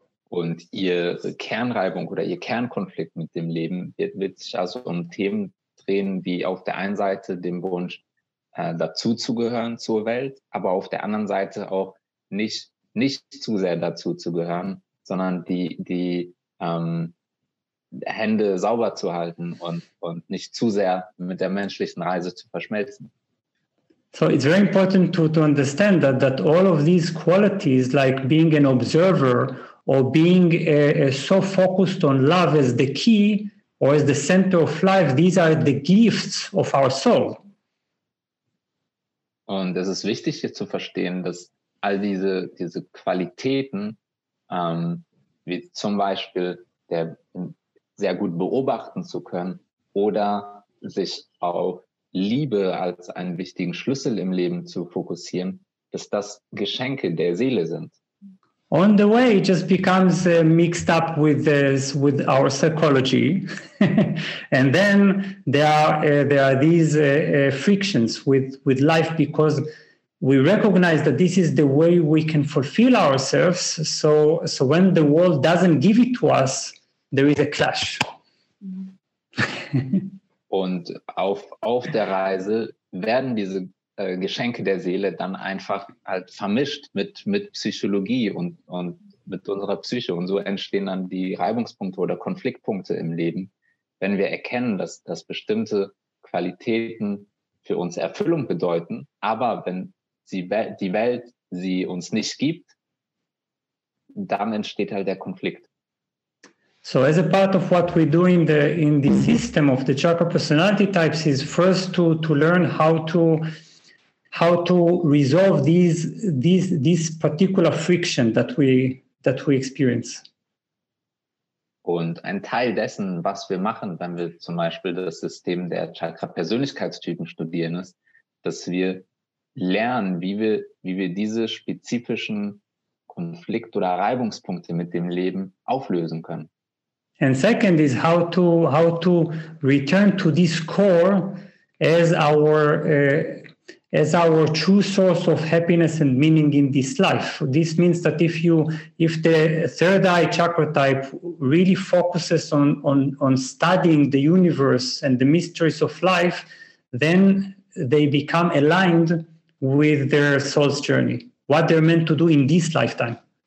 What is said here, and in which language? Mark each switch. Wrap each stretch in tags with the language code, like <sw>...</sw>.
<de>Und ihre Kernreibung oder ihr Kernkonflikt mit dem Leben wird sich also um Themen drehen, wie auf der einen Seite dem Wunsch, dazuzugehören zur Welt, aber auf der anderen Seite auch nicht zu sehr dazuzugehören, sondern die Hände sauber zu halten und nicht zu sehr mit der menschlichen Reise zu verschmelzen.</de> <en>So it's very important to understand that all of these qualities, like being an observer or being so focused on love as the key or as the center of life, these are the gifts of our soul.</en> <de>Und es ist wichtig hier zu verstehen, dass all diese Qualitäten, wie zum Beispiel der sehr gut beobachten zu können oder sich auf Liebe als einen wichtigen Schlüssel im Leben zu fokussieren, dass das Geschenke der Seele sind.</de> <en>On the way, it just becomes mixed up with our psychology, and then there are these frictions with life, because we recognize that this is the way we can fulfill ourselves. So when the world doesn't give it to us, there is a clash.</en> <de>Und auf der Reise werden diese Geschenke der Seele dann einfach halt vermischt mit Psychologie und mit unserer Psyche. Und so entstehen dann die Reibungspunkte oder Konfliktpunkte im Leben, wenn wir erkennen, dass bestimmte Qualitäten für uns Erfüllung bedeuten, aber wenn die Welt sie uns nicht gibt, dann entsteht halt der Konflikt.</de> <en>So as a part of what we do in the system of the chakra personality types is first to learn how to resolve this particular friction that we experience.</en> <de>Und ein Teil dessen, was wir machen, wenn wir zum Beispiel das System der Chakra-Persönlichkeitstypen studieren, ist, dass wir lernen, wie wir diese spezifischen Konflikt- oder Reibungspunkte mit dem Leben auflösen können.</de> <en>And second is how to return to this core as our true source of happiness and meaning in this life. This means that if the third eye chakra type really focuses on studying the universe and the mysteries of life, then they become aligned with their soul's journey, what they're meant to do in this lifetime.</en>